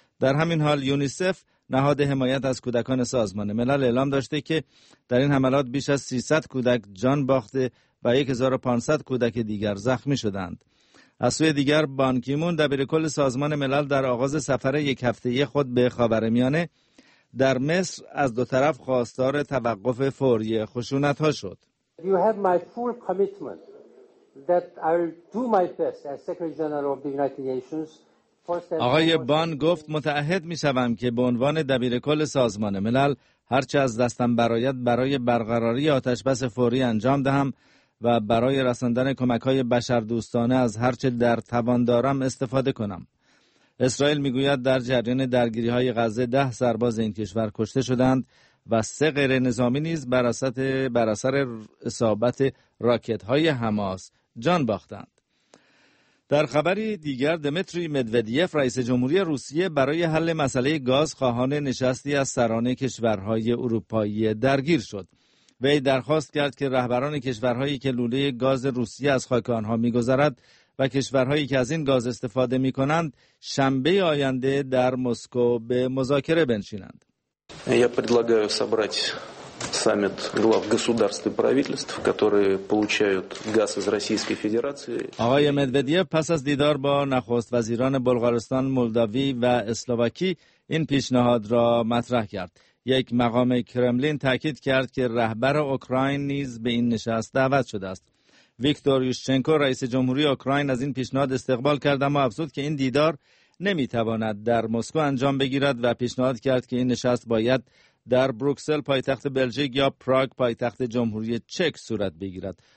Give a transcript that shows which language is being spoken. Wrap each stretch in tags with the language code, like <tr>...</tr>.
<fa>در همین حال یونیسف، نهاد حمایت از کودکان سازمان ملل، اعلام داشته که در این حملات بیش از 300 کودک جان باخته و 1500 کودک دیگر زخمی شدند. از سوی دیگر بان کی‌مون، دبیرکل سازمان ملل، در آغاز سفر یک هفته خود به خاورمیانه در مصر از دو طرف خواستار توقف فوری خشونت ها شد.</fa> <en>You have my full commitment that I will do my best as Secretary General of the United Nations.</en> <fa>آقای بان گفت متعهد می شوم که به عنوان دبیرکل سازمان ملل هرچه از دستم برآید برای برقراری آتش‌بس فوری انجام دهم و برای رساندن کمک‌های بشردوستانه از هرچه در توان دارم استفاده کنم. اسرائیل می گوید در جریان درگیری‌های غزه 10 سرباز این کشور کشته شدند و 3 غیر نظامی نیز بر اثر اصابت راکت‌های حماس جان باختند. در خبری دیگر، دمیتری مدودیف، رئیس جمهوری روسیه، برای حل مسئله گاز خواهان نشستی از سران کشورهای اروپایی درگیر شد. وی درخواست کرد که رهبران کشورهایی که لوله گاز روسیه از خاک آنها می‌گذرد و کشورهایی که از این گاز استفاده می‌کنند، شنبه آینده در مسکو به مذاکره بنشینند.</fa> <ru>Я предлагаю собрать саммит глав государств и правительств, которые получают газ из Российской Федерации.</ru> <fa>آقای مدودیف پس از دیدار با نخست وزیران بلغارستان، مولداوی و اسلوواکی این پیشنهاد را مطرح کرد. یک مقام کرملین تاکید کرد که رهبر اوکراین نیز به این نشست دعوت شده است. ویکتور یوشچنکو، رئیس جمهوری اوکراین، از این پیشنهاد استقبال کرد اما افزود که این دیدار نمیتواند در مسکو انجام بگیرد و پیشنهاد کرد که این نشست باید در بروکسل پایتخت بلژیک یا پراگ پایتخت جمهوری چک صورت بگیرد.</fa>